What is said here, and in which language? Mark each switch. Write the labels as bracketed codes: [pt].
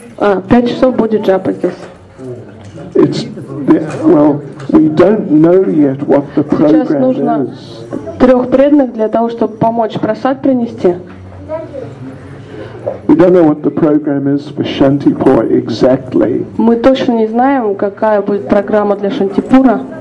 [ru] 5 часов будет джапа здесь. [en] It's the, well, we don't know yet what the program is. [ru] Сейчас нужно 3 преданных для того, чтобы помочь просад принести. [en] We don't know what the program is for Shantipur exactly. [ru] Мы точно не знаем, какая будет программа для Шантипура.